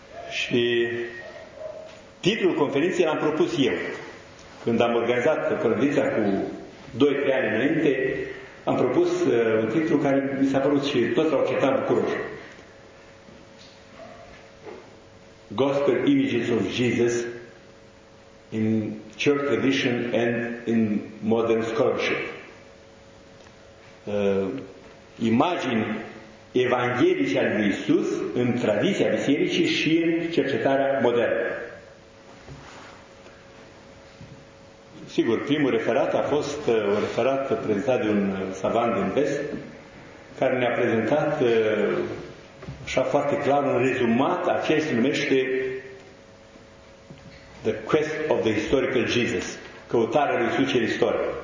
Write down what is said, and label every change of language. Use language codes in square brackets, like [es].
[ro] Și titlul conferinței l-am propus eu. Când am organizat conferința cu 2-3 ani înainte, am propus un titlu care mi s-a părut și toți l-au acceptat bucuroși. [en] Gospel Images of Jesus in Church Tradition and in Modern Scholarship. [ro] Imagini evanghelice al lui Iisus în tradiția bisericii și în cercetarea modernă. Sigur, primul referat a fost un referat prezentat de un savant din vest, care ne-a prezentat așa foarte clar un rezumat a ceea ce se numește [en] The Quest of the Historical Jesus, [ro] căutarea lui Iisus cel istoric.